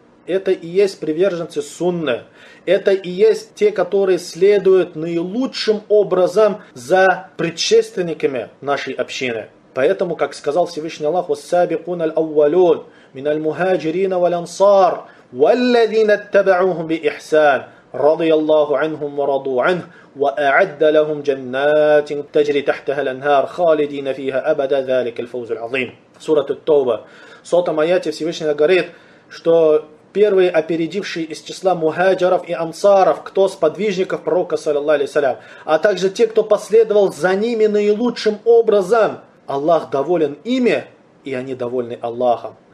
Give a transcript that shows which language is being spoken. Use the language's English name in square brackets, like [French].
[Russian] Это и есть приверженцы Сунны. Это и есть те, которые следуют наилучшим образом за предшественниками нашей общины. Поэтому, как сказал Всевышний Аллах, [Arabic] «Вассабикун аль-аввалун мин аль-мухаджирина валянсар, валлазина аттабаухум би ихсан». رضي الله عنهم ورضوا عنه وأعد لهم جنات تجري تحتها الأنهار خالدين فيها أبدا ذلك الفوز العظيم. سورة التوبة. صوت آيات [Russian] Всевышнего говорит, что первые опередившие из числа мухаджиров и ансаров, кто сподвижников пророка саллаллаху алейхи ва саллям, а также те, кто последовал за ними наилучшим образом, Аллах доволен ими, и они довольны Аллахом.